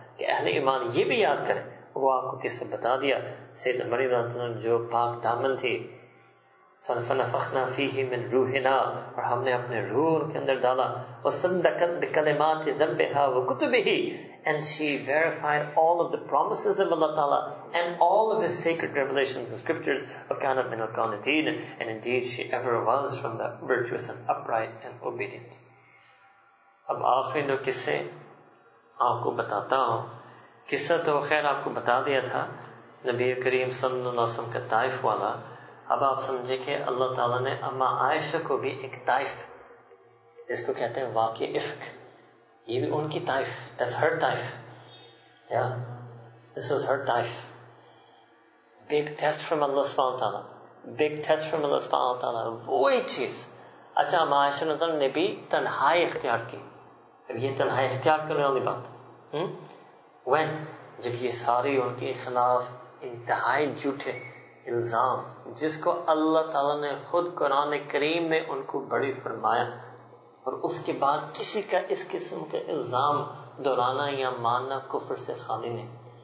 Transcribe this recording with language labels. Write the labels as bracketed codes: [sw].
[ur] کہ اہلِ ایمان یہ بھی یاد کریں, وہ آپ کو کس سے بتا دیا, سیدنا مریم رضی اللہ عنہ جو پاک دامن تھی. [ar] فَنَفَخْنَا فِيهِ مِنْ رُوحِنَا, [ur] اور ہم نے اپنے روح کے اندر ڈالا. [ar] وَصَدَّقَتْ بِكَلِمَاتِ رَبِّهَا وَكُتُبِهِ, [en] and she verified all of the promises of Allah Ta'ala and all of His sacred revelations and scriptures. [ar] وَكَانَ مِنَ الْقَانِتِينَ, [en] and indeed she ever was from the virtuous and upright and obedient. [ur] اب آخری دو قصے آپ کو بتاتا ہوں. قصہ تو خیر آپ کو بتا دیا تھا نبی کریم صلی اللہ علیہ وسلم کا طائف والا. اب آپ سمجھے کہ اللہ تعالیٰ نے اما عائشہ کو بھی ایک طائف, جس کو کہتے ہیں واقع عفق, یہ بھی ان کی Taif, [en] that's her [ur] Taif, [en] yeah, this was her [ur] Taif. [en] Big test from Allah سبحانہ وتعالیٰ, big test from Allah سبحانہ وتعالیٰ, [ur] وہی چیز. اچھا, اما عائشہ نے بھی تنہائی اختیار کی. اب یہ تنہائی اختیار کرنے والی بات, when, جب یہ ساری ان کے خلاف انتہائی جھوٹے الزام, جس کو اللہ تعالیٰ نے خود قرآن کریم میں ان کو بڑی فرمایا, اور اس کے بعد کسی کا اس قسم کا الزام دورانا یا ماننا کفر سے خالی نہیں.